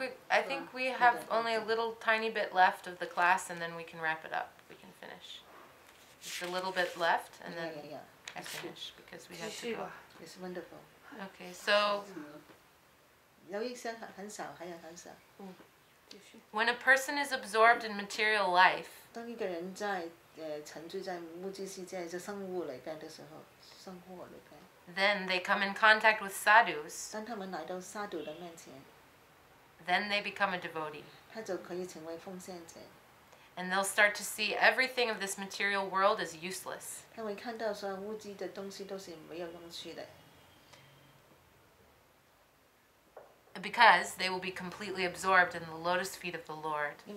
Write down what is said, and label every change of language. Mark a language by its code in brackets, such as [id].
[en] I think we have only a little tiny bit left of the class, and then we can wrap it up. We can finish. Just a little bit left, and then I finish because we have to go. It's wonderful. Okay, so. [zh] 有一生很少, 还有很少。 [en] When a person is absorbed in material life, [zh] 当一个人在, 沉醉在物质世界,就生物里边的时候, 生活里边, [en] then they come in contact with sadhus. [zh] 当他们来到sadhu的面前, [en] then they become a devotee. [zh] 他就可以成为奉献者。 [en] And they'll start to see everything of this material world as useless. [zh] 他们看到所有物质的东西都是没有用处的。 [en] Because they will be completely absorbed in the lotus feet of the Lord.